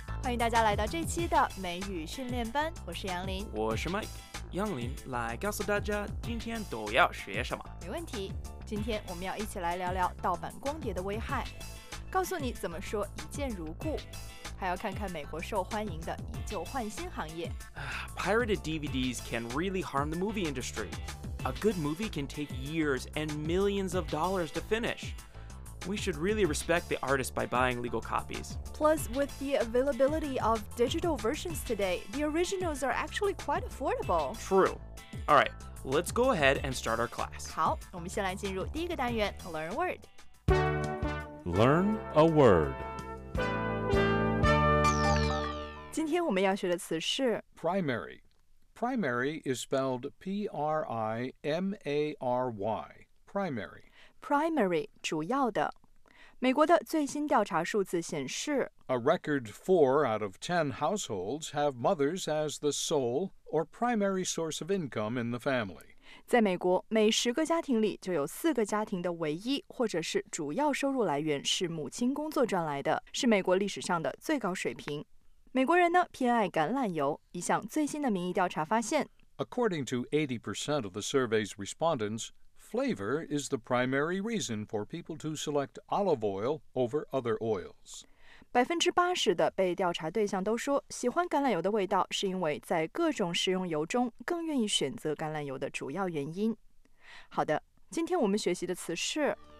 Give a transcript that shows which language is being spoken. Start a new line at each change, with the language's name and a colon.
Chinese: 迎大家来到这期的美语训练班，我是杨林，我是 Mike。杨林来告诉大家今天都要学什么。没问题，今天我们要一起来聊聊盗版光碟的危害，告诉你怎么说一见如故，还要看看美国受欢迎的以旧换新行业。
English: Pirated DVDs can really harm the movie industry. A good movie can take years and millions of dollars to finish. We should really respect the artist by buying legal copies. Plus, with the availability of digital versions today, the originals are actually quite affordable. True. All right, let's go ahead and start our class.
Chinese: 好，我们先来进入第一个单元 ,
English: Learn a Word. Learn a word.
Chinese: 今天我们要学的词是
English: primary. Primary is spelled P-R-I-M-A-R-Y. Primary.
Chinese: Primary, 主要的。美国的最新调查数字显示
English: A record 4 out of 10 households have mothers as the sole or primary source of income in the family.
Chinese: 在美国，每十个家庭里就有四个家庭的唯一或者是主要收入来源是母亲工作赚来的，是美国历史上的最高水平。美国人呢，偏爱橄榄油。一项最新的民意调查发现
English: According to 80% of the survey's respondents, flavor is the primary reason for people to select olive oil over other oils.
Chinese: 80% 的被调查对象都说喜欢橄榄油的味道是因为在各种食用油中更愿意选择橄榄油的主要原因。好的，今天我们学习的词是